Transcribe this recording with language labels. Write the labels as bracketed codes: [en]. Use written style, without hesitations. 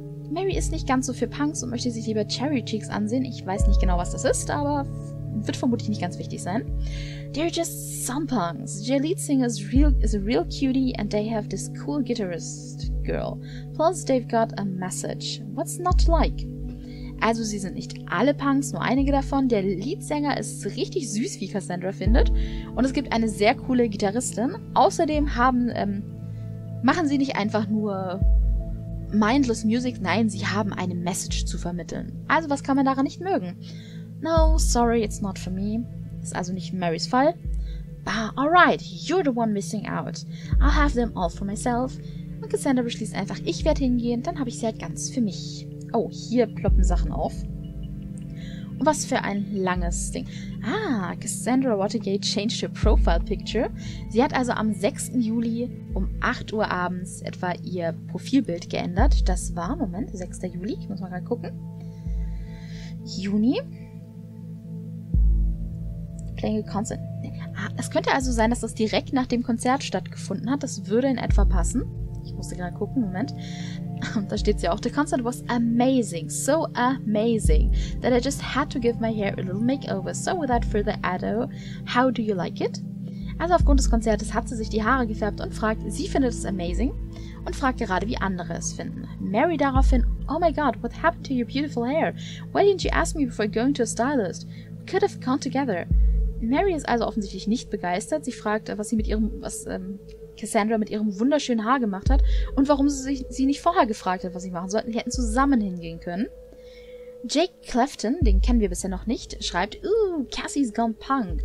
[de] Mary ist nicht ganz so für Punks und möchte sich lieber Cherry Cheeks ansehen. Ich weiß nicht genau, was das ist, aber wird vermutlich nicht ganz wichtig sein. [en] They're just some Punks. Their lead singer is a real cutie and they have this cool guitarist girl. Plus they've got a message. What's not like? [de] Also sie sind nicht alle Punks, nur einige davon. Der Leadsänger ist richtig süß, wie Cassandra findet. Und es gibt eine sehr coole Gitarristin. Außerdem machen sie nicht einfach nur... Mindless Music, nein, sie haben eine Message zu vermitteln. Also was kann man daran nicht mögen? [en] No, sorry, it's not for me. [de] Ist also nicht Marys Fall. [en] Ah, alright, you're the one missing out. I'll have them all for myself. [de] Und Cassandra beschließt einfach, ich werde hingehen, dann habe ich sie halt ganz für mich. Oh, hier ploppen Sachen auf. Und was für ein langes Ding. [en] Ah, Cassandra Watergate changed her profile picture. [de] Sie hat also am 6. Juli um 8 Uhr abends etwa ihr Profilbild geändert. Das war, Moment, 6. Juli, ich muss mal gerade gucken. Juni. [en] Playing a concert. [de] Ah, es könnte also sein, dass das direkt nach dem Konzert stattgefunden hat. Das würde in etwa passen. Ich musste gerade gucken, Moment. Und da steht's ja auch. [en] The concert was amazing, so amazing, that I just had to give my hair a little makeover. So without further ado, how do you like it? [de] Also aufgrund des Konzertes hat sie sich die Haare gefärbt und fragt, sie findet es amazing und fragt gerade, wie andere es finden. Mary daraufhin, [en] oh my god, what happened to your beautiful hair? Why didn't you ask me before going to a stylist? We could have gone together. [de] Mary ist also offensichtlich nicht begeistert. Sie fragt, was Cassandra mit ihrem wunderschönen Haar gemacht hat und warum sie nicht vorher gefragt hat, was sie machen sollten. Sie hätten zusammen hingehen können. Jake Clefton, den kennen wir bisher noch nicht, schreibt, [en] ooh, Cassie's gone punk.